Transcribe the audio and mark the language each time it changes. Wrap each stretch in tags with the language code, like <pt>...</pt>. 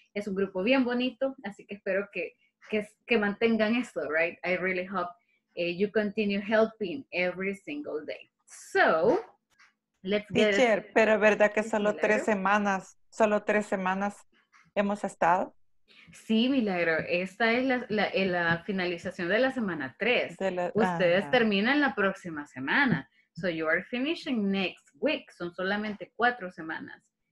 <es>Es un grupo bien bonito, así que espero que mantengan esto, right?</es> <en>I really hope you continue helping every single day. So, let's get...</en> <es>Teacher, pero ¿verdad que solo tres semanas hemos estado? Sí, Milagro, esta es la finalización de la semana 3. Ustedes terminan la próxima semana.</es> <en>So you are finishing next week.</en> <es>Son solamente 4 semanas.</es>